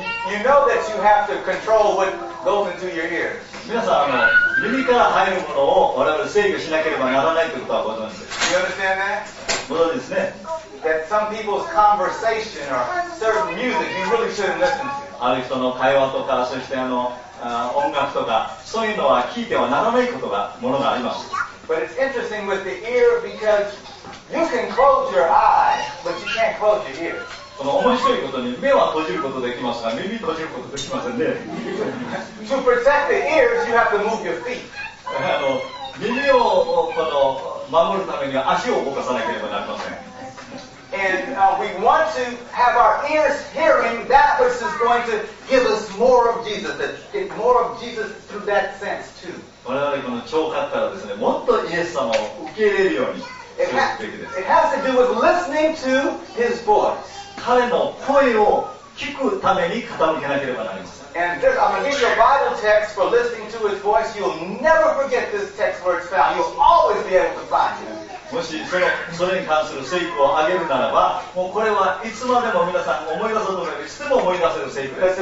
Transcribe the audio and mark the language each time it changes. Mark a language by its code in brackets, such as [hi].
[en] You know that you have to control what goes into your ears. [ja] 皆さん、あの、耳から入るものを我々制御しなければならないということはご存知です。 [en] You understand that? [ja] ご存知ですね。 [en] That some people's conversation or certain music you really shouldn't listen to. [ja] ある人の会話とか、そしてあの、音楽とか、そういうのは聞いてはならないことが、ものがあります。 [en] But it's interesting with the ear because you can close your eye, but you can't close your ear. [ja] この面白いことに目は閉じることできますが、耳閉じることできませんね。 [en] To protect the ears, you have to move your feet. [ja] あの、耳をこの守るためには足を動かさなければなりません。 [en] And we want to have our ears hearing that which is going to give us more of Jesus, that get more of Jesus through that sense too. [ja] 我々この聴覚からですね、もっとイエス様を受け入れるようにするべきです。 [en] It has to do with listening to His voice. [ja] 彼の声を聞くために傾けなければなりません。 [en] And I'm going to give you a Bible text for listening to his voice. You'll never forget this text where it's found. You'll always be able to find it. [ja] もしそれに関する聖句をあげるならば、もうこれはいつまでも皆さん思い出そうと思えば、いつでも思い出せる聖句です。